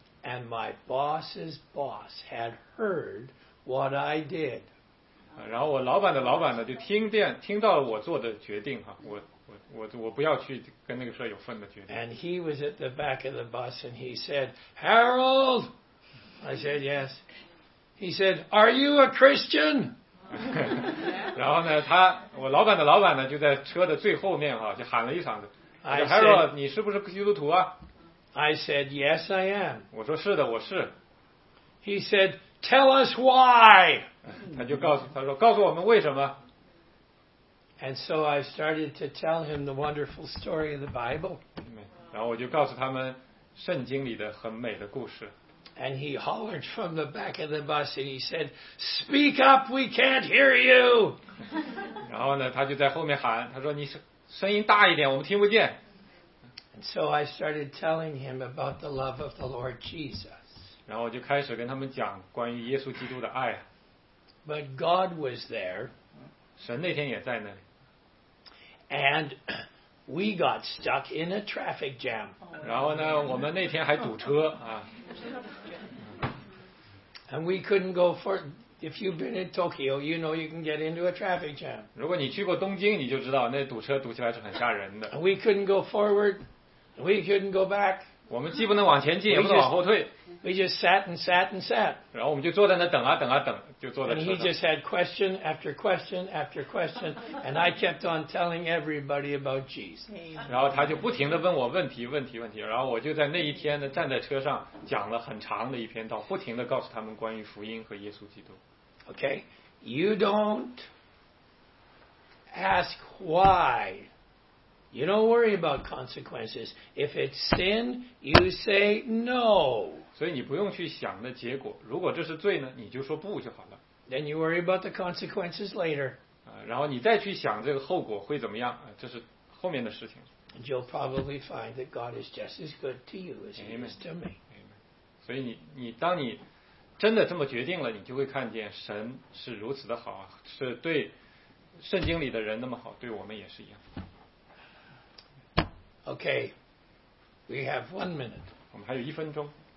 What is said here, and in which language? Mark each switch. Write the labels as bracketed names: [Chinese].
[English] And my boss's boss had heard what I did. [Chinese] 然后我老板的老板呢，就听到了我做的决定哈，我不要去跟那个事有份的决定。 [English] And he was at the back of the bus, and he said, "Harold," I said, "Yes." He said, "Are you a Christian?" [Chinese] 然后呢，我老板的老板呢，就在车的最后面哈，就喊了一嗓子。 Harold, 你是不是基督徒啊？ [English] I said, yes, I am. [Chinese] 我说是的，我是。 [English] He said, tell us why. [Chinese] 他说告诉我们为什么。 [English] And so I started to tell him the wonderful story of the Bible. [Chinese] 然后我就告诉他们圣经里的很美的故事。 [English] And he hollered from the back of the bus and he said, speak up, we can't hear you. [Chinese] 然后呢，他就在后面喊，他说你是。声音大一点，我们听不见。 [English] And so I started telling him about the love of the Lord Jesus. [Chinese] 然后我就开始跟他们讲关于耶稣基督的爱。 [English] But God was there. [Chinese] 神那天也在那里。 [English] And we got stuck in a traffic jam. [Chinese] 然后呢，我们那天还堵车啊。 [English] And we couldn't go for. If you've been in Tokyo, you know you can get into a traffic jam. [Chinese] 如果你去过东京，你就知道那堵车堵起来是很吓人的。 [English] We couldn't go forward, we couldn't go back. [Chinese] 我们既不能往前进，也不能往后退。 [English] We just sat and sat and sat. [Chinese] 然后我们就坐在那等啊等啊等，就坐在车上。 [English] And he just had question after question after question, and I kept on telling everybody about Jesus. [Chinese] 然后他就不停地问我问题问题问题，然后我就在那一天呢站在车上讲了很长的一篇道，不停地告诉他们关于福音和耶稣基督。 [English] Okay, you don't ask why. You don't worry about consequences. If it's sin, you say no. [Chinese] 所以你不用去想那结果。如果这是罪呢，你就说不就好了。 [English] Then you worry about the consequences later. [Chinese] 然后你再去想这个后果会怎么样，这是后面的事情。 [English] And you'll probably find that God is just as good to you as he is to me. Amen. [Chinese] 所以你当你真的这么决定了，你就会看见神是如此的好，是对圣经里的人那么好，对我们也是一样。 [English] Okay, we have 1 minute. [Chinese] 我们还有一分钟。